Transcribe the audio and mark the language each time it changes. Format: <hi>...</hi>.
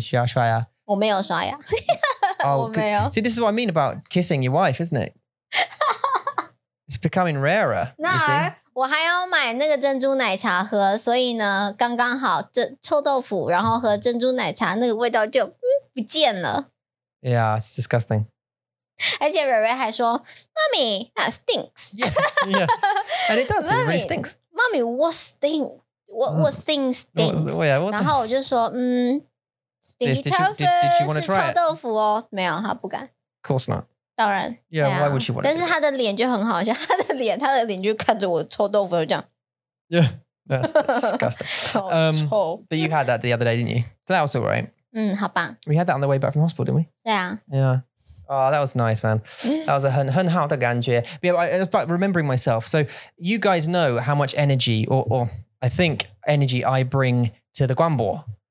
<zh>我妈妈看到你去楼上，她就觉得很奇怪。她就说是因为你吃臭豆腐，所以她才上去吗？我说对啊，因为你那时候要上去煮饭嘛。然后我妈妈就说，因为你吃臭豆腐，对不对？她不要你回家，对不对？我说对啊。然后你回家了，然后你刷牙，你需要刷牙？我没有刷牙。我没有。</zh> <en>See, this is what I mean about kissing your wife, isn't it? It's becoming rarer.</en> <zh>我还要买那个珍珠奶茶喝，所以呢，刚刚好这臭豆腐，然后喝珍珠奶茶，那个味道就不见了。</zh> <en>Yeah, it's disgusting.</en> <zh>而且蕊蕊还说 ，</zh> <en>Mommy, that stinks. Yeah, and it does. Mommy, it really stinks. Mommy, what stinks? What things stinks? Yeah,</en> <zh>然后我就说</zh> <en>stinky tofu,</en> <zh>是臭豆腐哦，没有，他不敢。</zh> <en>Of course not.</en> <zh>当然,</zh> <en>yeah, why would she want to?</en> <zh>但是她的脸就很好笑，她的脸，她的脸就看着我臭豆腐，就这样。</zh> <en>Yeah, that's disgusting. But you had that the other day, didn't you? So that was all right.</en> <zh>嗯，好棒。</zh> <en>We had that on the way back from hospital, didn't we?</en> <zh>对啊。</zh> <en>Yeah. Oh, that was nice, man. That was a</en> <zh>很好的感觉.</zh> <en>But yeah, I was remembering myself. So you guys know how much energy, or I think energy I bring to the guanbo.</en>